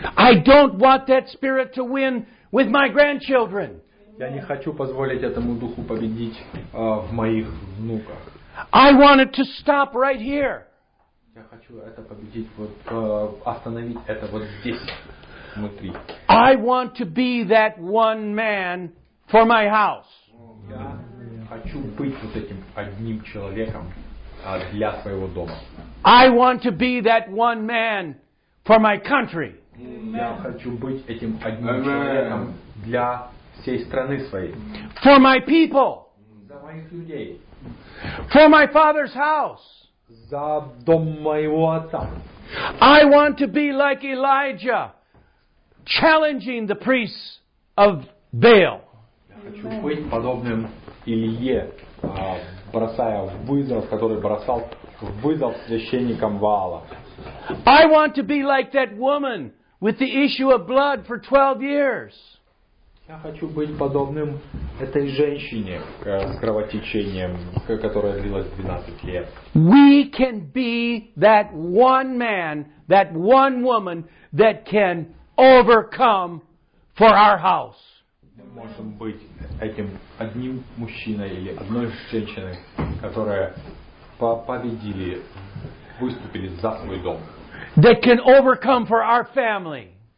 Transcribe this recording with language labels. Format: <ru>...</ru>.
<en>I don't want that spirit to win with my grandchildren.</en> <ru>Я не хочу позволить этому духу победить в моих внуках.</ru> <en>I want it to stop right here.</en> <ru>Я хочу это победить, вот остановить это вот здесь внутри.</ru> <en>I want to be that one man for my house.</en> <ru>Хочу быть вот этим одним человеком для своего дома.</ru> <en>I want to be that one man for my country. Amen.</en> <ru>Я хочу быть этим одним Amen. Человеком для всей страны своей.</ru> <en>For my people.</en> <ru>За моих людей.</ru> <en>For my father's house.</en> <ru>За дом моего отца.</ru> <en>I want to be like Elijah, challenging the priests of Baal.</en> <ru>Хочу быть подобным Илье, бросая вызов, который бросал вызов священникам Ваала.</ru> <en>I want to be like that woman with the issue of blood for 12 years.</en> <ru>Я хочу быть подобным этой женщине с кровотечением, которая длилась 12 лет.</ru> <en>We can be that one man, that one woman that can overcome for our house.</en> <ru>Можем быть этим одним мужчиной или одной женщиной, которая победили, выступили за свой дом.</ru> <en>that can overcome for our family.</en>